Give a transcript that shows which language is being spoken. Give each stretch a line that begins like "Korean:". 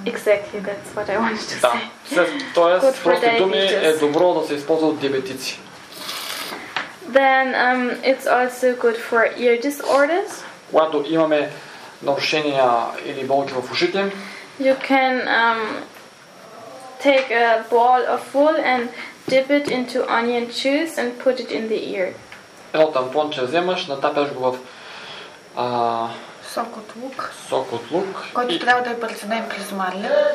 English: Exactly, that's what I wanted to say.
Bulgarian: Да. Тоест,
English: good for diabetes.
Bulgarian: Думи е добро да се използва от диабетици.
English: Then it's also good for ear disorders.
Bulgarian: Когато имаме нарушения или болки в ушите,
English: you can take a ball of wool and dip it into onion juice and put it in the ear.
Bulgarian: Едно тампонче вземаш, натапяш го в сок от лук. Сок от лук. Който трябва да е преценен през марля.